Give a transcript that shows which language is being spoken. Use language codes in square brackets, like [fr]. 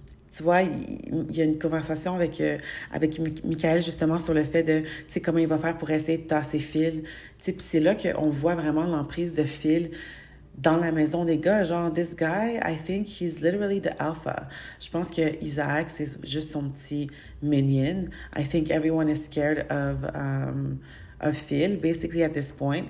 [fr] Tu vois, il y a une conversation avec Michael justement sur le fait de, tu sais, comment il va faire pour essayer de tasser Phil. Tu sais, puis c'est là qu'on voit vraiment l'emprise de Phil dans la maison des gars. [en] Genre, this guy, I think he's literally the alpha. [fr] Je pense que Isaac, c'est juste son petit minion. [en] I think everyone is scared of Phil, basically, at this point.